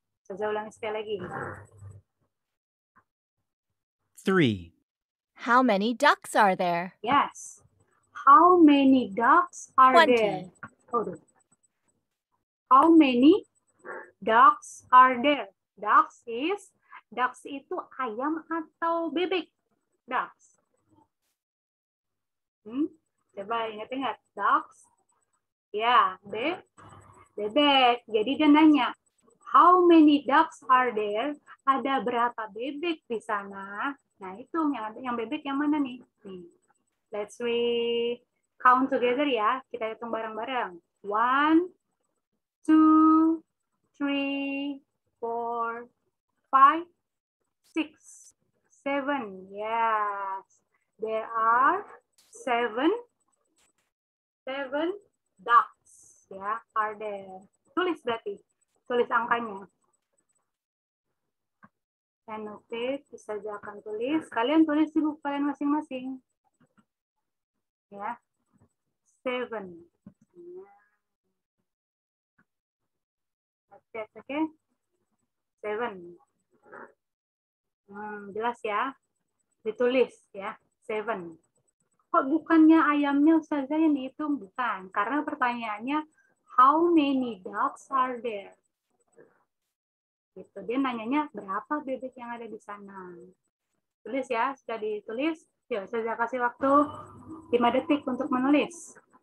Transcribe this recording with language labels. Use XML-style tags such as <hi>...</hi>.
<id>Saya ulangi sekali lagi. 3.</id> <en>How many ducks are there? Yes. How many ducks are 20. There? How many ducks are there?</en> <id>Ducks itu ayam atau bebek?</id> <en>Ducks.</en> <id>Coba ingat-ingat. Ducks. Ya, bebek. Jadi dia nanya,</id> <en>how many ducks are there?</en> <id>Ada berapa bebek di sana? Nah, itu yang bebek yang mana nih?</id> <en>Let's we count together ya.</en> <id>Kita hitung bareng-bareng.</id> <en>1, 2, 3, 4, 5, 6, 7. Yes. There are 7 ducks.</en> <id>Ya, are there. Tulis berarti. Tulis angkanya. annotate, bisa juga akan tulis. Kalian tulis di buku kalian masing-masing. Ya. Seven.</id> <en>Okay. Seven.</en> <id>Jelas ya. Ditulis ya. Seven. Kok bukannya ayamnya Ustazah yang dihitung? Bukan. Karena pertanyaannya,</id> <en>how many ducks are there?</en> <id>Gitu. Dia nanyanya, berapa bebek yang ada di sana? Tulis ya, sudah ditulis. Yuk, saya kasih waktu 5 detik untuk menulis.</id>